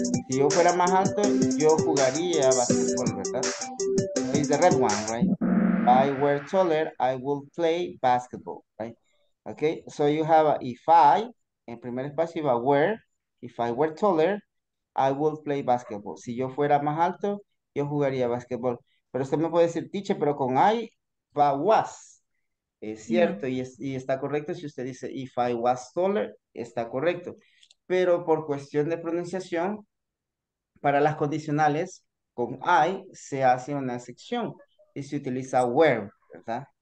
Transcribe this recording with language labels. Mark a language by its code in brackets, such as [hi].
[es] Si yo fuera más alto, yo jugaría basketball, ¿verdad? [en] It's the red one, right? If I were taller, I would play basketball, right? Okay, so you have a if I, [es] en primer espacio, iba [en] where, if I were taller, I would play basketball. [es] Si yo fuera más alto, yo jugaría basketball. Pero usted me puede decir, teacher, pero con I, va was. Es cierto, yeah. Y está correcto si usted dice, [en] if I was taller, [es] está correcto. Pero por cuestión de pronunciación, para las condicionales, con I se hace una excepción y se utiliza were, ¿verdad?